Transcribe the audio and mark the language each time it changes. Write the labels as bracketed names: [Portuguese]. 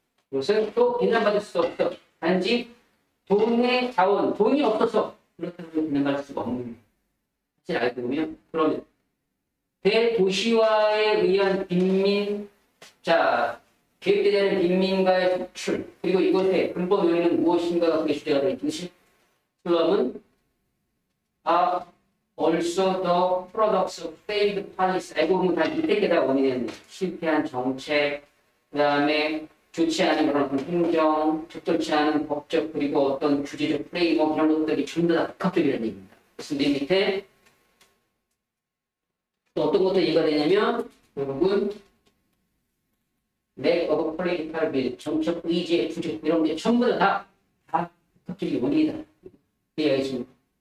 [Korean] 그것은 또 비난받을 수 없어. 단지 돈의 자원, 돈이 없어서 그렇다고 비난받을 수가 없는 사실 알게 되면 그러면 대도시화에 의한 빈민, 자 계획되는 빈민가의 속출 그리고 이것의 근본 요인은 무엇인가가 그게 주제가 되겠지. 슬럼은 아 [English] Also, the products of failed policy. [Korean] 알고 보면 다 이때 게다 원인은 실패한 정책, 그 다음에 좋지 않은 그런 행정, 적절치 않은 법적, 그리고 어떤 규제적 프레임워크 그런 것들이 전부 다 복합적이라는 얘기입니다. 그래서 맨 밑에 또 어떤 것도 이해가 되냐면, 결국은 [English] lack of political will, [Korean] 정책 의지의 부족, 이런 게 전부 다 복합적인 원인이다. 이해하겠습니까?